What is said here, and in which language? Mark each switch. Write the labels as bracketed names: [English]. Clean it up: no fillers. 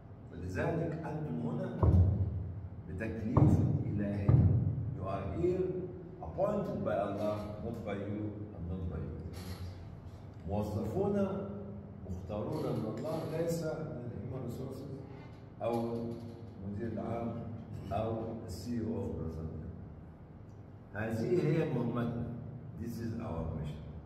[Arabic] فلذلك أنتم هنا بتكليف إلهي. [English] You are here appointed by Allah, not by you and not by you. [Arabic] موظفون مختارون من الله, ليس من human resources أو مدير العام أو CEO of Brazil. هذه هي مهمتنا. [English] This is our mission.